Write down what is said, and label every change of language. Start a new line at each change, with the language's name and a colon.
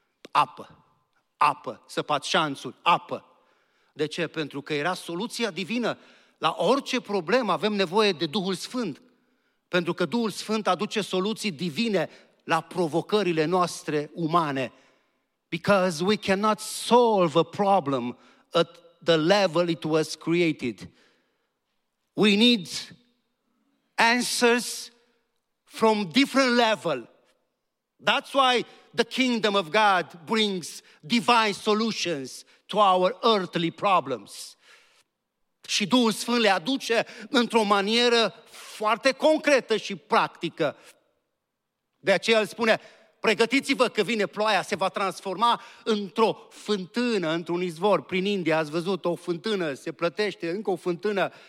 Romanian: Apă. Apă. Săpați șanțuri. Apă. De ce? Pentru că era soluția divină. La orice problemă avem nevoie de Duhul Sfânt. Pentru că Duhul Sfânt aduce soluții divine la provocările noastre umane.
English: Because we cannot solve a problem at the level it was created. We need answers from different level. That's why the kingdom of God brings divine solutions to our earthly problems.
Romanian: Și Duhul Sfânt le aduce într-o manieră foarte concretă și practică. De aceea el spune, pregătiți-vă că vine ploaia, se va transforma într-o fântână, într-un izvor. Prin India ați văzut o fântână, se plătește încă o fântână.